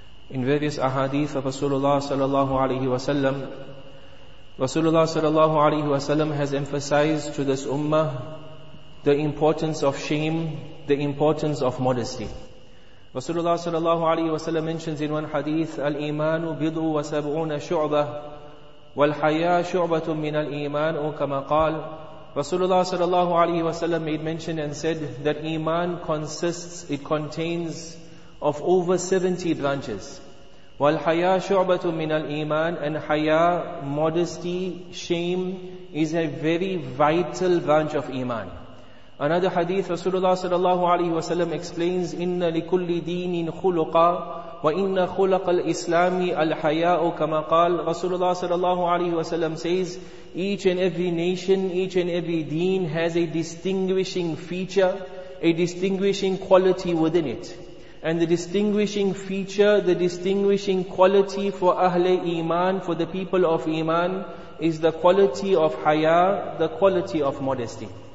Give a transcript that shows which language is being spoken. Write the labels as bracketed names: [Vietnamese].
[English] In various ahadith of Rasulullah sallallahu alayhi wa sallam, Rasulullah sallallahu alayhi wa sallam has emphasized to this ummah the importance of shame, the importance of modesty. [Arabic] Rasulullah sallallahu alayhi wa sallam [English] mentions in one hadith, [Arabic] الإيمان بضع وسبعون شعبة والحياة شعبة من الإيمان كما قال. [English] Rasulullah sallallahu alayhi wa sallam made mention and said that iman consists, it contains of over 70 branches. [Arabic] والحياة شعبة من الإيمان, [English] and حياة, modesty, shame, is a very vital branch of iman. Another hadith, [Arabic] Rasulullah sallallahu alayhi wa sallam explains, إِنَّ لِكُلِّ دِينٍ خُلُقًا وَإِنَّ خُلَقَ الْإِسْلَامِ الْحَيَاءُ كَمَا قَالَ. [English] Rasulullah sallallahu alayhi wa sallam says, each and every nation, each and every deen has a distinguishing feature, a distinguishing quality within it. And the distinguishing feature, the distinguishing quality for Ahle Iman, for the people of Iman, is the quality of Haya, the quality of modesty.